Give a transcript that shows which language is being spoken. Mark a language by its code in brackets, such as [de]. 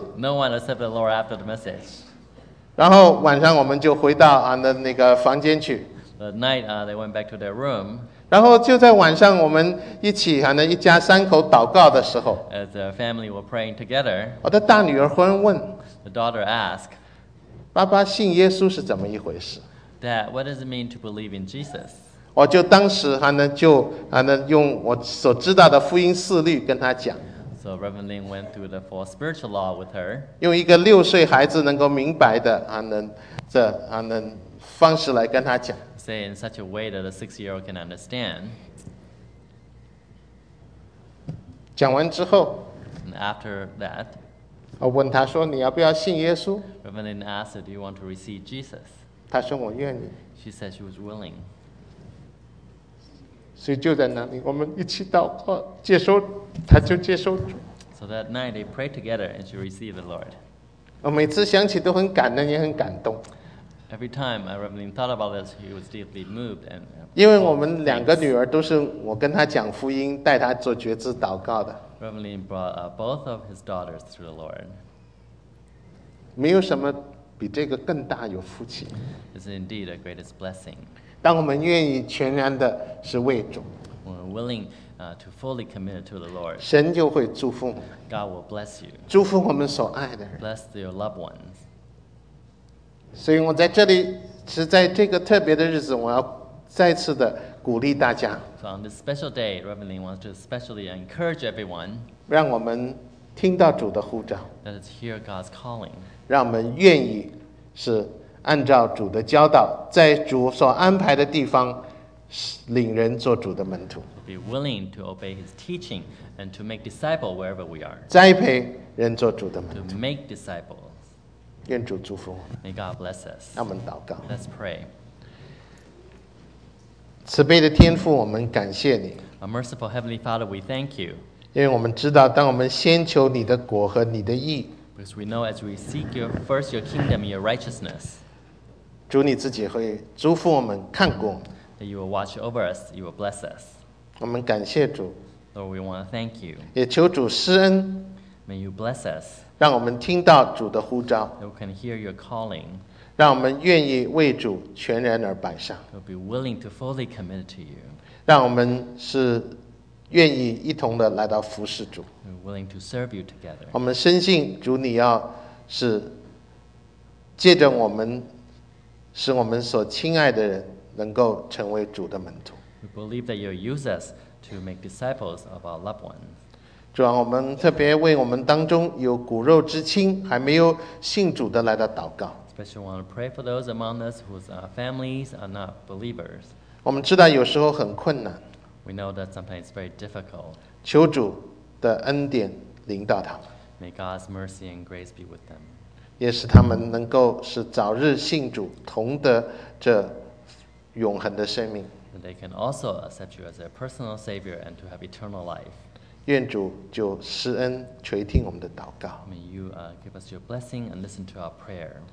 [en] No one accepted the Lord after the message. [zh] 然后晚上我们就回到啊那那个房间去。 [en] The night, they went back to their room. [zh] 然后就在晚上我们一起啊那一家三口祷告的时候。 [en] As the family were praying together. [zh] 我的大女儿忽然问。 [en] The daughter asked. [zh] 爸爸信耶稣是怎么一回事？ [en] Dad, what does it mean to believe in Jesus? [zh] 我就当时还能就还能用我所知道的福音四律跟他讲。 [en] So Reverend Lin went through the four spiritual law with her. [zh] 用一个六岁孩子能够明白的还能这还能方式来跟他讲。 [en] Say in such a way that a six-year-old can understand. [zh] 讲完之后。 [en] And after that. [zh] 我问他说你要不要信耶稣？ [en] Reverend Lin asked, "Do you want to receive Jesus?" [zh] 他说我愿意。 [en] She said she was willing. [zh] 所以就在那里，我们一起祷告，接受，他就接受。 [en] So that night they prayed together and she received the Lord. [zh] 我每次想起都很感恩，也很感动。 [en] Every time Reverend Lin thought about this, he was deeply moved. And [zh] 因为我们两个女儿都是我跟她讲福音，带她做决志祷告的。 [en] Reverend Lin brought both of his daughters to the Lord. [zh] 没有什么比这个更大有福气。 [en] It's indeed a greatest blessing. [zh] 当我们愿意全然的是为主。 [en] We're willing to fully commit to the Lord. [zh] 神就会祝福。 [en] God will bless you. [zh] 祝福我们所爱的人。 [en] Bless your loved ones. [zh] 所以我在这里是在这个特别的日子我要再次的鼓励大家。 [en] So on this special day, Reverend Lin wants to especially encourage everyone. [zh] 让我们听到主的呼召。 [en] Let us hear God's calling. [zh] 让我们愿意是按照主的教导在主所安排的地方领人做主的门徒。 [en] Be willing to obey his teaching and to make disciples wherever we are. [zh] 栽培人做主的门徒。 [en] To make disciples. [zh] 愿主祝福。 [en] May God bless us. [zh] 让我们祷告。 [en] Let's pray. [zh] 慈悲的天父，我们感谢你。 [en] A merciful Heavenly Father, we thank you. [zh] 因为我们知道，当我们先求你的国和你的义。 [en] Because we know as we seek your first your kingdom, your righteousness. [zh] 主你自己会祝福我们，看顾。 [en] That you will watch over us, you will bless us. [zh] 我们感谢主。 [en] Lord, we want to thank you. [zh] 也求主施恩。 [en] May you bless us. [zh] 让我们听到主的呼召。 [en] We can hear your calling. [zh] 让我们愿意为主全然而摆上。 [en] We'll be willing to fully commit to you. [zh] 让我们是愿意一同的来到服侍主。 [en] We're willing to serve you together. [zh] 我们深信主你要是借着我们，使我们所亲爱的人能够成为主的门徒。 [en] We believe that you'll use us to make disciples of our loved ones. [zh] 主啊，我们特别为我们当中有骨肉之亲还没有信主的来到祷告。 [en] Especially want to pray for those among us whose families are not believers. [zh] 我们知道有时候很困难。 [en] We know that sometimes it's very difficult. [zh] 求主的恩典临到他们。 [en] May God's mercy and grace be with them. [zh] 也使他们能够是早日信主，同得这永恒的生命。 [en] And they can also accept you as their personal savior and to have eternal life. [zh] 愿主就施恩垂听我们的祷告。 [en] May you give us your blessing and listen to our prayer.